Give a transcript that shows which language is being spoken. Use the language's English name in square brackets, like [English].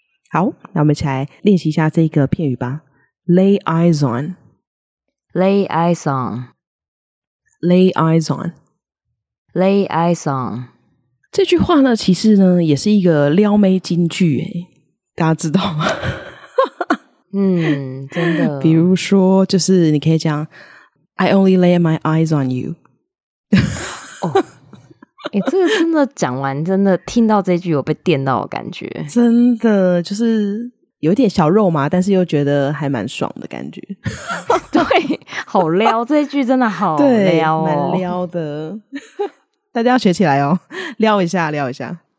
[Chinese] 好，那我们一起来练习一下这个片语吧。 [English] Lay eyes on， lay eyes on， lay eyes on， lay eyes on。 [Chinese] 这句话呢，其实呢也是一个撩妹金句，大家知道吗？嗯，真的。比如说，就是你可以讲 ， [English] I only lay my eyes on you。 [Chinese] 欸，这个真的讲完真的听到这句有被电到的感觉。真的就是有点小肉麻，但是又觉得还蛮爽的感觉。对，好撩，这句真的好撩哦。蛮撩的。大家要学起来哦，撩一下撩一下。